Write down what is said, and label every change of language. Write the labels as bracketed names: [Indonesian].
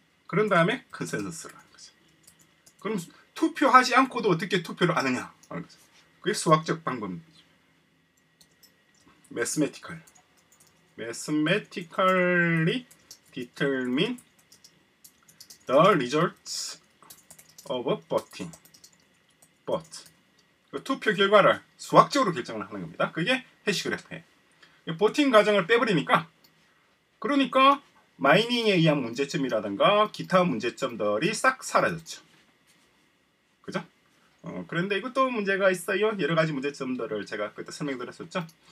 [Korean] 그런 다음에 컨센서스로 하는 거죠. 그럼 투표하지 않고도 어떻게 투표를 하느냐? 그 그게 수학적 방법입니다. [English] Mathematical. Mathematically determine the results of a voting. But. [Korean] 그 투표 결과를 수학적으로 결정을 하는 겁니다. 그게 해시 그래프예요. 보팅 과정을 빼버리니까, 그러니까 마이닝에 의한 문제점이라든가 기타 문제점들이 싹 사라졌죠. 그죠? 그런데 이것도 문제가 있어요. 여러 가지 문제점들을 제가 그때 설명드렸었죠.